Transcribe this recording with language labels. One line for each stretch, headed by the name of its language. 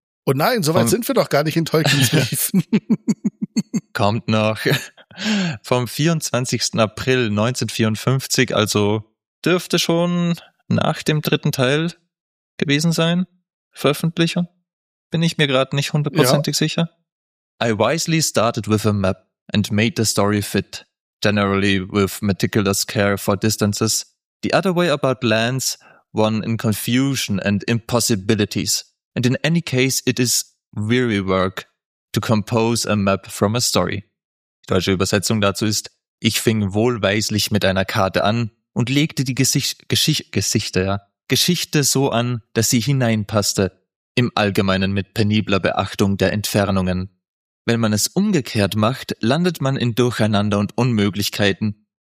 German: Oh nein, soweit sind wir doch gar nicht in Tolkiens Briefen. Kommt noch. Vom 24. April 1954, also dürfte schon nach dem dritten Teil gewesen sein, Veröffentlichung. Bin ich mir gerade nicht hundertprozentig sicher.
English: I wisely started with a map and made the story fit, generally with meticulous care for distances. The other way about lands one in confusion and impossibilities. And in any case, it is weary work to compose a map from a story.
German: Die deutsche Übersetzung dazu ist, ich fing wohlweislich mit einer Karte an und legte die Geschichte so an, dass sie hineinpasste, im Allgemeinen mit penibler Beachtung der Entfernungen. Wenn man es umgekehrt macht, landet man in Durcheinander und Unmöglichkeiten.